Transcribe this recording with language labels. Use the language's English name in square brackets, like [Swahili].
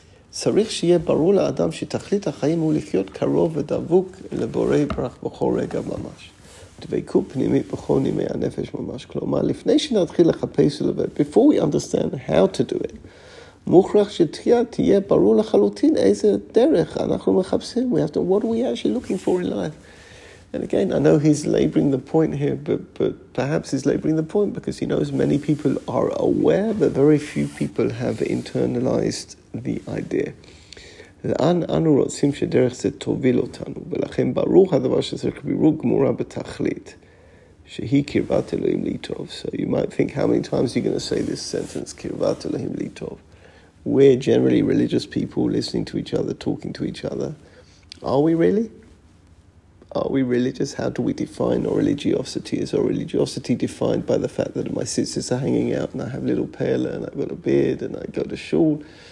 [Hebrew] צריך שיהיה ברור לאדם שתכלית החיים הוא לחיות קרוב ודבוק לבורא יתברך בכל רגע ממש. דבקו פנימית בכל נימי הנפש ממש. כלומר, לפני שנתחיל לחפש את זה, [English] before we understand how to do it, [Hebrew] מוכרח שתהיה ברור לחלוטין איזה דרך אנחנו מחפשים. [English] We have to, what are we actually looking for in life? And again, I know he's laboring the point here, but perhaps he's laboring the point because he knows many people are aware, but very few people have internalized the idea. [Hebrew] לאן אנו רוצים שדרך זה תוביל אותנו, ולכן ברוך הדבר שצריך בירור גמורה בתכלית, שהיא קרבת אלוהים ליטוב. [English] So you might think, how many times are you going to say this sentence, [Hebrew] קרבת אלוהים ליטוב? [English] We're generally religious people listening to each other, talking to each other. Are we really? Are we religious? How do we define our religiosity? Is our religiosity defined by the fact that my sisters are hanging out and I have a little pale and I've got a beard and I go to shul?